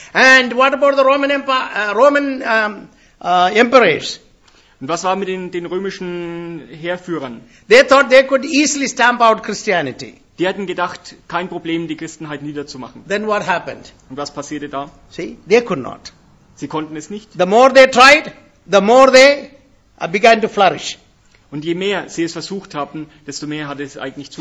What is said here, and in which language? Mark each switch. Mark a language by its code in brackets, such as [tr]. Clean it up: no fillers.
[en] And what about the Roman Empire, emperors? [de] Und was war mit den römischen Heerführern? [en] They thought they could easily stamp out Christianity. [de] Die hatten gedacht, kein Problem, die Christenheit niederzumachen. [en] Then what happened? [de] Und was passierte da? [en] See, they could not. [de] Sie konnten es nicht. [en] The more they tried, the more they began to flourish. [de] Und je mehr sie es versucht haben, desto mehr hat es eigentlich zu